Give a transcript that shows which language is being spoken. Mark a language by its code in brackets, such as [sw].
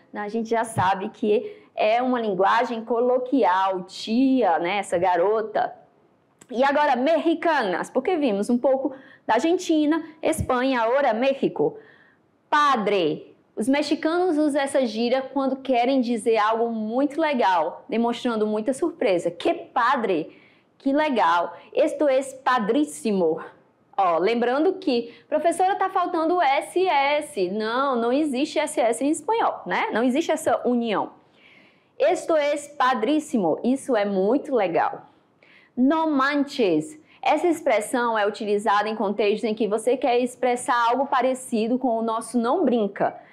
[pt] A gente já sabe que é uma linguagem coloquial, tia, né, essa garota. E agora, mexicanas, porque vimos um pouco da Argentina, Espanha, agora México. Padre, os mexicanos usam essa gíria quando querem dizer algo muito legal, demonstrando muita surpresa. [es] Que padre, [pt] que legal, [es] esto es padrissimo. [pt] Ó, lembrando que, professora, tá faltando o SS. Não, não existe SS em espanhol, né? Não existe essa união. [es] Esto es padrissimo, [pt] isso é muito legal. [es] No manches. [pt] Essa expressão é utilizada em contextos em que você quer expressar algo parecido com o nosso não brinca.